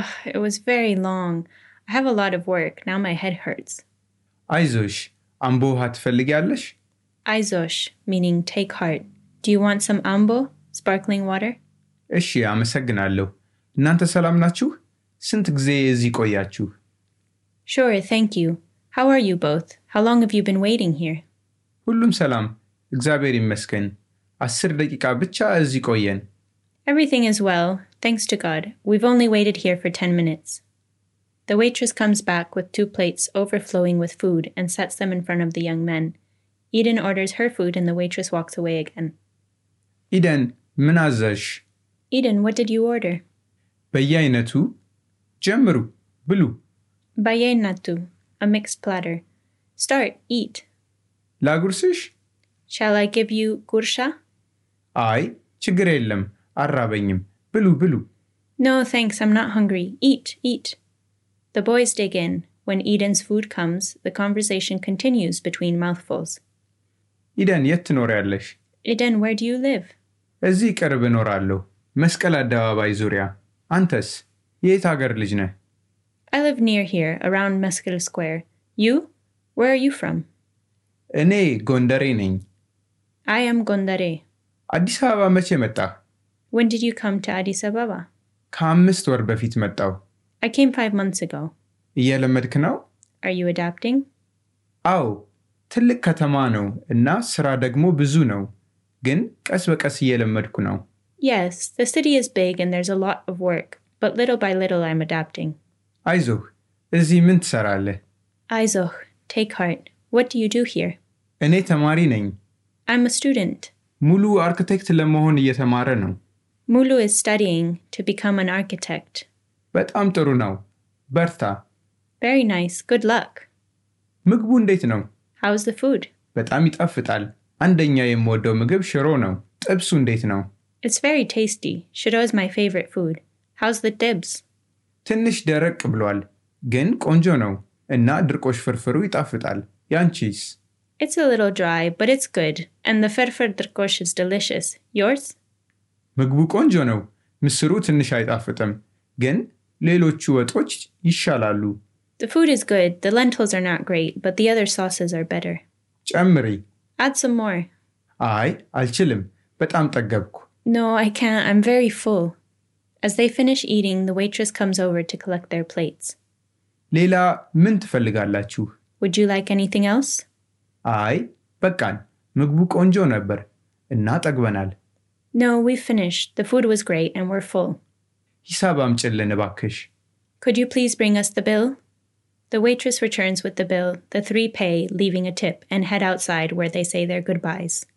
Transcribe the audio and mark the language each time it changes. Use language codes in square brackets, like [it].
[en] it was very long I have a lot of work now my head hurts [am] አይዞሽ አምቦ ትፈልጊያለሽ [en] አይዞሽ meaning take heart do you want some ambo sparkling water [am] እሺ አመሰግናለሁ እናንተ ሰላም ናችሁ ስንት ጊዜ እዚህ ቆያችሁ [en] sure thank you how are you both how long have you been waiting here [am] ሁሉም ሰላም እግዚአብሔር ይመስገን 10 ደቂቃ ብቻ እዚህ ቆየን [en] Everything is well thanks to God we've only waited here for 10 minutes The waitress comes back with 2 plates overflowing with food and sets them in front of the young men Eden orders her food and the waitress walks away again Eden منازش Eden what did you order [am] በየአይነቱ ጀምሩ ብሉ [en] በየአይነቱ a mixed platter Start eat [am] ላጉርስሽ [en] Shall I give you gursha [am] አይ ችግር የለም አራበኝም ብሉ ብሉ [en] No thanks I'm not hungry eat eat The boys dig in when Eden's food comes the conversation continues between mouthfuls [am] Eden የት ኖርያለሽ [en] Eden where do you live [am] እዚ ቀርብ ኖርአለሁ መስቀል አደባባይ ዙሪያ አንተስ የት ሀገር ልጅ ነህ [en] I live near here around Meskel Square You where are you from [am] እኔ ጎንደሬ ነኝ [en] I am ጎንደሬ [am] አዲስ አበባ መቼ መጣ? [en] When did you come to Addis Ababa? [am] ከአምስት ወር በፊት መጣው። [en] I came 5 months ago. [am] እየለመድክ ነው? [en] Are you adapting? [am] አዎ፣ ትልቅ ከተማ ነው እና ስራ ደግሞ ብዙ ነው። ግን ቀስ በቀስ እየለመድኩ ነው። [en] Yes, the city is big and there's a lot of work, but little by little I'm adapting. [am] አይዞህ፣ እዚህ ምን ትሰራለህ? [en] አይዞህ፣ take heart. What do you do here? [am] እኔ ተማሪ ነኝ። [en] I'm a student. [am] ሙሉ አርክቴክት ለመሆን እየተማረ ነው። [en] ሙሉ is studying to become an architect. [am] በጣም ጥሩ ነው በርታ [en] Very nice good luck [am] ምግቡ እንዴት ነው [en] How's the food [am] በጣም ይጣፍጣል አንደኛ የምወደው ምግብ ሽሮ ነው ጥብሱ እንዴት ነው [en] It's very tasty Shiro is my favorite food How's the dibs [am] ትንሽ ደረቅ ብሏል ግን ቆንጆ ነው እና ድርቆሽ ፍርፍሩ ይጣፍጣል ያንቺስ [en] It's a little dry, but it's good. And the ferfer drkosh is delicious. Yours? [am] ምግቡ ቆንጆ ነው. ምስሩ ትንሽ አይጣፍጥም. ግን ሌሎቹ ወጦች ይሻላሉ. [en] The food is good. The lentils are not great, but the other sauces are better. [am] ጨምሪ. [en] Add some more. [am] አይ, አልችልም. በጣም ጠገብኩ. [en] No, I can't. I'm very full. As they finish eating, the waitress comes over to collect their plates. [am] ሌላ ምን ትፈልጋላችሁ? [en] Would you like anything else? [am] አይ በቃን ምግቡ ቆንጆ ነበር እና ጠግበናል [en] No we finished the food was great and we're full [am] ሂሳብ አምጪልን ባክሽ [en] Could you please bring us the bill The waitress returns with the bill the three pay leaving a tip and head outside where they say their goodbyes